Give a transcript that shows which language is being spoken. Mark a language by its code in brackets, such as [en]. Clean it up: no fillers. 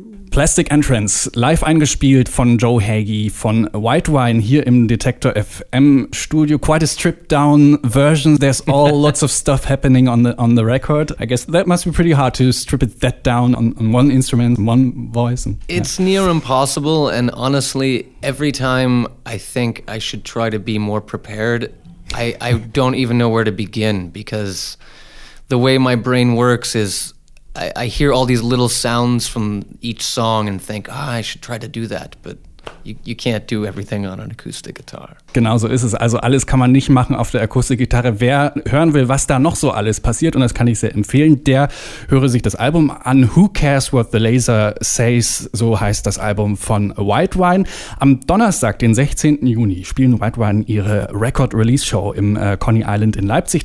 [de] Plastic Entrance, live eingespielt von Joe Hagee von White Wine hier im Detector FM Studio. [en] Quite a stripped down version. There's all lots of stuff happening on the record. I guess that must be pretty hard to strip it that down on one instrument, one voice. It's near impossible. And honestly, every time I think I should try to be more prepared, I don't even know where to begin, because the way my brain works is I hear all these little sounds from each song and think, I should try to do that, but You can't do everything on an acoustic guitar. [de] Genau so ist es. Also alles kann man nicht machen auf der Akustikgitarre. Wer hören will, was da noch so alles passiert, und das kann ich sehr empfehlen, der höre sich das Album an. Who Cares What The Laser Says, so heißt das Album von White Wine. Am Donnerstag, den 16. Juni, spielen White Wine ihre Record-Release-Show im Coney Island in Leipzig.